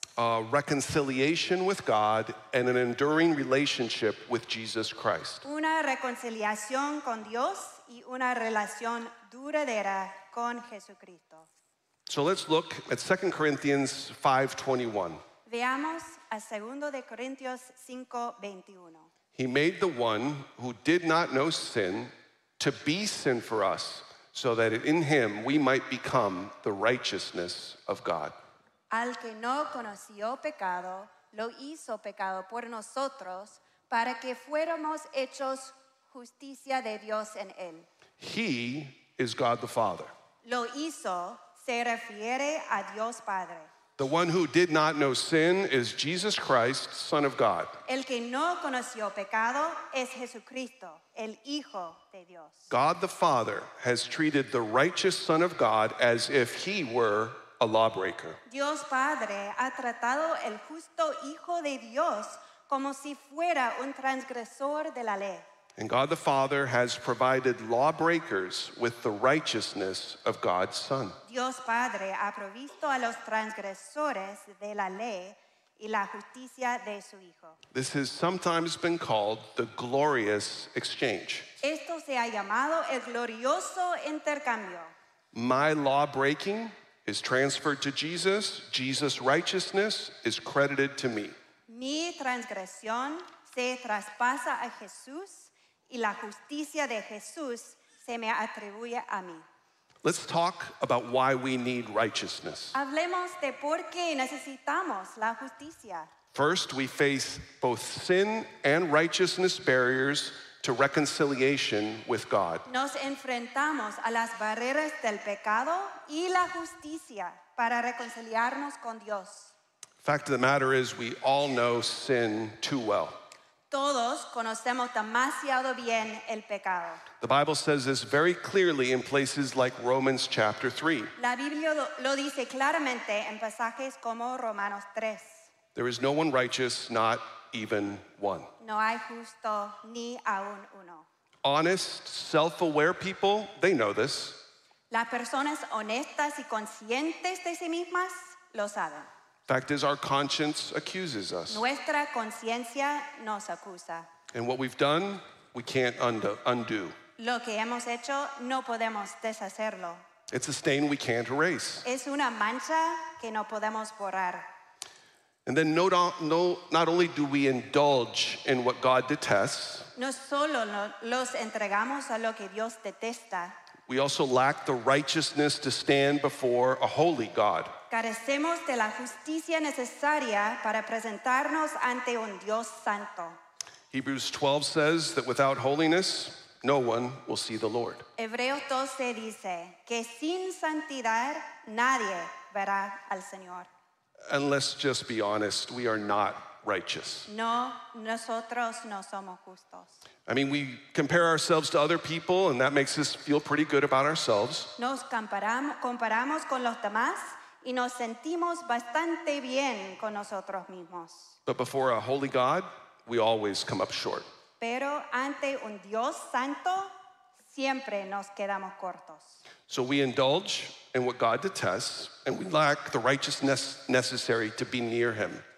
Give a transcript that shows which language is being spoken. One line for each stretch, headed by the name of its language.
English: A reconciliation with God and an enduring relationship with Jesus Christ.
Spanish: Una reconciliación con Dios y una relación duradera con Jesucristo.
English: So let's look at 2 Corinthians 5:21.
Spanish: Veamos a 2 Corintios 5:21.
English: He made the one who did not know sin to be sin for us, so that in him we might become the righteousness of God.
Spanish: Al que no conoció pecado, lo hizo pecado por nosotros, para que fuéramos hechos justicia de Dios en él.
English: He is God the Father.
Spanish: Lo hizo se refiere a Dios Padre.
English: The one who did not know sin is Jesus Christ, Son of God.
Spanish: El que no conoció pecado es Jesucristo, el Hijo de Dios.
English: God the Father has treated the righteous Son of God as if he were a lawbreaker.
Spanish: Dios Padre ha tratado el justo Hijo de Dios como si fuera un transgresor de la ley.
English: And God the Father has provided lawbreakers with the righteousness of God's Son.
Spanish: Dios Padre ha provisto a los transgresores de la ley y la justicia de su Hijo.
English: This has sometimes been called the glorious exchange.
Spanish: Esto se ha llamado el glorioso intercambio.
English: My lawbreaking is transferred to Jesus. Jesus' righteousness is credited to me.
Spanish: Mi transgresión se traspasa a Jesús. Y la justicia de Jesús se me atribuye a mí.
English: Let's talk about why we need righteousness.
Spanish: Hablemos de por qué necesitamos la justicia.
English: First, we face both sin and righteousness barriers to reconciliation with God.
Spanish: Nos enfrentamos a las barreras del pecado y la justicia para reconciliarnos con Dios.
English: Fact of the matter is, we all know sin too well.
Spanish: Todos conocemos demasiado bien el pecado.
English: The Bible says this very clearly in places like Romans chapter 3.
Spanish: La Biblia lo dice claramente en pasajes como Romanos 3.
English: There is no one righteous, not even one.
Spanish: No hay justo ni aun uno.
English: Honest, self-aware people, they know this.
Spanish: Las personas honestas y conscientes de sí mismas lo saben.
English: Fact is, our conscience accuses us.
Spanish: Nuestra conciencia nos acusa.
English: And what we've done, we can't undo.
Spanish: Lo que hemos hecho, no podemos deshacerlo.
English: It's a stain we can't erase.
Spanish: Es una mancha que no podemos borrar.
English: And then not only do we indulge in what God detests,
Spanish: no solo los entregamos a lo que Dios detesta,
English: we also lack the righteousness to stand before a holy God.
Spanish: Carecemos de la justicia necesaria para presentarnos ante un Dios santo.
English: Hebrews 12 says that without holiness, no one will see the Lord.
Spanish: Hebreos 12 dice que sin santidad nadie verá al Señor.
English: And let's just be honest, we are not righteous.
Spanish: No, nosotros no somos justos.
English: I mean, we compare ourselves to other people, and that makes us feel pretty good about ourselves.
Spanish: Nos comparamos con los demás, y nos sentimos bastante bien con nosotros mismos.
English: But before a holy God, we always come up short.
Spanish: Pero ante un Dios santo, siempre nos quedamos cortos.
English: So we indulge in what God detests, and we lack the righteousness necessary to be near him.